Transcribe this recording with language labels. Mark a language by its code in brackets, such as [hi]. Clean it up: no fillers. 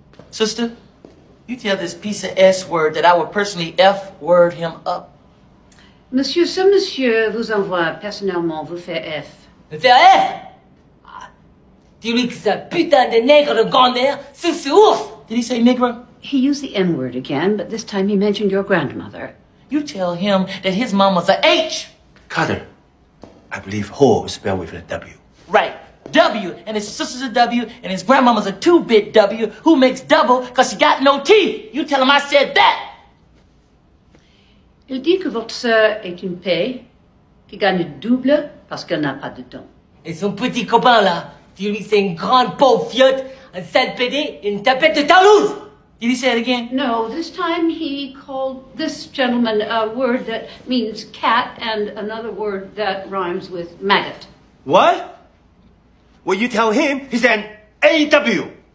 [en] Sister, you tell this piece of S-word that I would personally F-word him up. [fr] Monsieur, ce monsieur vous envoie personnellement vous faire F. Me faire F? [en] Do you think it's a [fr] putain de nègre [en] gone there? [fr] C'est ouf! [en] Did he say nègre? He used the N-word again, but this time he mentioned your grandmother. You tell him that his mama's a H! Cutter, I believe whore is spelled with a W. Right, W, and his sister's a W, and his grandmama's a two-bit W, who makes double because she got no teeth! You tell him I said that! [fr] Il dit que votre sœur est une paix, qui gagne double parce qu'elle n'a pas de dents. Et son petit copain là, dit lui c'est une grande pauvre fiotte, un sale pédé, une tapette de Toulouse! [en] Did he say it again? No, this time he called this gentleman a word that means cat and another word that rhymes with maggot. What? Well, you tell him he's an A-W.